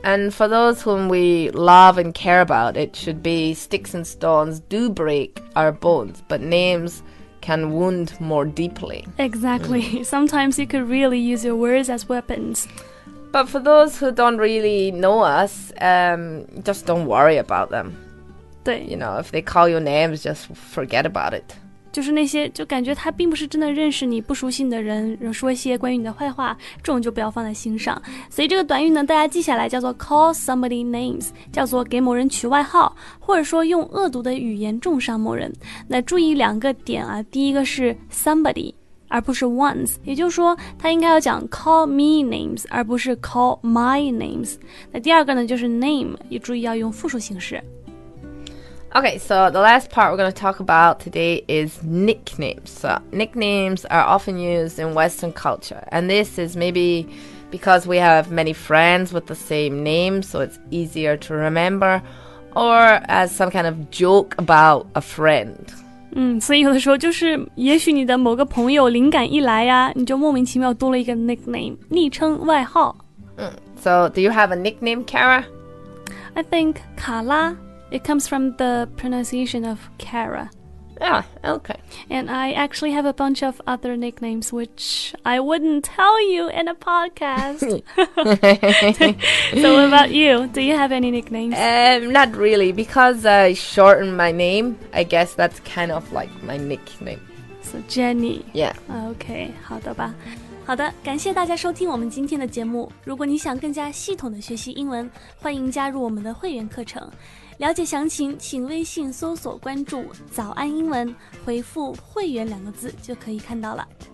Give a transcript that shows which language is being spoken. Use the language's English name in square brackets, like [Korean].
[English] And for those whom we love and care about, it should be sticks and stones do break our bones, but names... can wound more deeply. Exactly. Sometimes you could really use your words as weapons. But for those who don't really know us, just don't worry about them. [Chinese] 对。 [English] You know, if they call your names, just forget about it. [Chinese] 就是那些就感觉他并不是真的认识你不熟悉的人说一些关于你的坏话这种就不要放在心上。所以这个短语呢大家记下来叫做 [English] call somebody names, [Chinese] 叫做给某人取外号或者说用恶毒的语言重伤某人。那注意两个点啊第一个是 somebody, 而不是 ones, 也就是说他应该要讲 [English] call me names, [Chinese] 而不是 [English] call my names。 [Chinese] 那第二个呢就是 name, 也注意要用复数形式。 [English] Okay, so the last part we're going to talk about today is nicknames. So nicknames are often used in Western culture, and this is maybe because we have many friends with the same name, so it's easier to remember, or as some kind of joke about a friend. [Chinese] 所以有的时候就是也许你的某个朋友灵感一来呀，你就莫名其妙多了一个 nickname, 昵称外号。 [English] So do you have a nickname, Kara? I think Kara. It comes from the pronunciation of Kara. Yeah, okay. And I actually have a bunch of other nicknames, which I wouldn't tell you in a podcast. So what about you? Do you have any nicknames? Not really. Because I shortened my name, I guess that's kind of like my nickname. So Jenny. Yeah. [Chinese] Okay, 好的吧。好的，感谢大家收听我们今天的节目。如果你想更加系统的学习英文，欢迎加入我们的会员课程。了解详情，请微信搜索关注“早安英文”，回复“会员”两个字就可以看到了。